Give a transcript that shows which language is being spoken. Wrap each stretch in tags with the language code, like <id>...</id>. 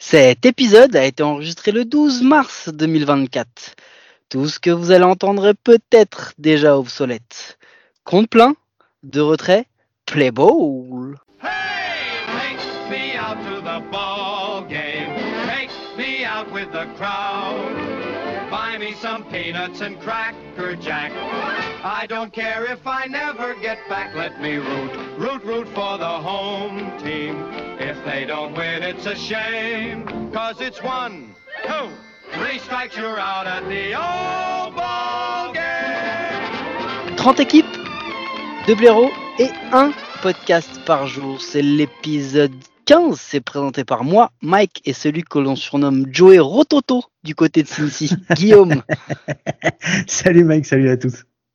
<fr>Cet épisode a été enregistré le 12 mars 2024. Tout ce que vous allez entendre est peut-être déjà obsolète. Compte plein, de retrait, play ball.</fr> <en>Hey, take me out to the ball game. Take me out with the crowd. Buy me some peanuts and cracker jack. I don't care if I never get back. Let me root, root, root for the home team. If they don't win, it's a shame. Cause it's one, two, three strikes, you're out at the old ball game.</en> <fr>30 équipes, 2 blaireaux et 1 podcast par jour. C'est l'épisode 15, c'est présenté par moi, Mike, et celui que l'on surnomme Joey Rototo du côté de Cincy, Guillaume. Salut Mike, salut à tous.</fr>